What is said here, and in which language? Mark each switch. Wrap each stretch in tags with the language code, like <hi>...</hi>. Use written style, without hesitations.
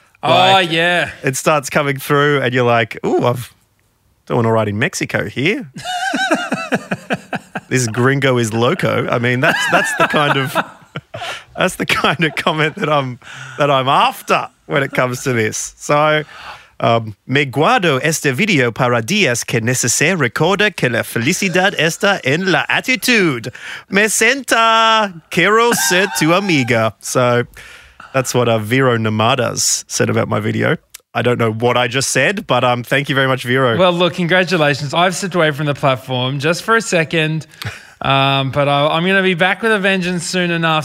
<en>Oh, like, yeah. It starts coming through and you're like, ooh, I'm doing all right in Mexico here. this gringo is loco. I mean, that's the kind of that's the kind of comment that I'm after when it comes to this.</en> <es>So, me guardo este video para días que necesite recorda que la felicidad está en la actitud. Me senta, quiero ser tu amiga.</es> <en>So, that's what Vero Namadas said about my video. I don't know what I just said, but thank you very much, Vero. Well, look, congratulations. I've stepped away from the platform just for a second, but I'm going to be back with a vengeance soon enough.</en>